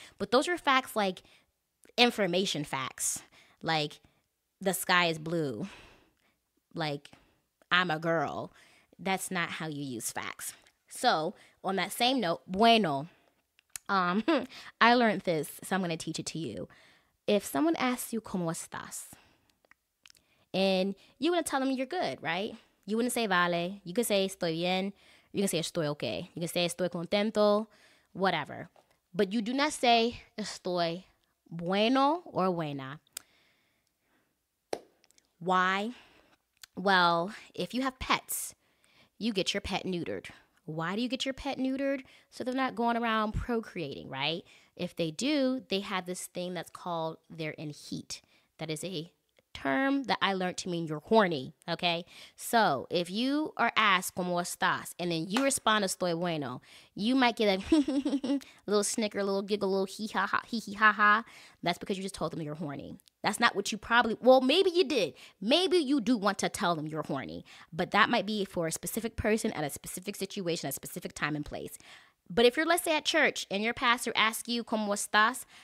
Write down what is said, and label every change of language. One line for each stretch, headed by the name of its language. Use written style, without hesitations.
English: But those are facts, like information facts, like the sky is blue, like I'm a girl. That's not how you use facts. So on that same note, bueno, I learned this, so I'm going to teach it to you. If someone asks you,
Spanish: ¿cómo estás?
English: And you want to tell them you're good, right? You wouldn't say vale. You could say
Spanish: estoy bien.
English: You can say
Spanish: estoy okay.
English: You can say
Spanish: estoy contento,
English: whatever. But you do not say
Spanish: estoy bueno
English: or buena. Why? Well, if you have pets, you get your pet neutered. Why do you get your pet neutered? So they're not going around procreating, right? If they do, they have this thing that's called they're in heat. That is a term that I learned to mean you're horny, okay? So if you are asked,
Spanish: ¿cómo estás?
English: And then you respond,
Spanish: estoy bueno.
English: You might get a little snicker, a little giggle, a little hee-hee-ha-ha. That's because you just told them you're horny. That's not what you probably, well, maybe you did. Maybe you do want to tell them you're horny. But that might be for a specific person at a specific situation, a specific time and place. But if you're, let's say, at church and your pastor asks you,
Spanish: ¿cómo estás?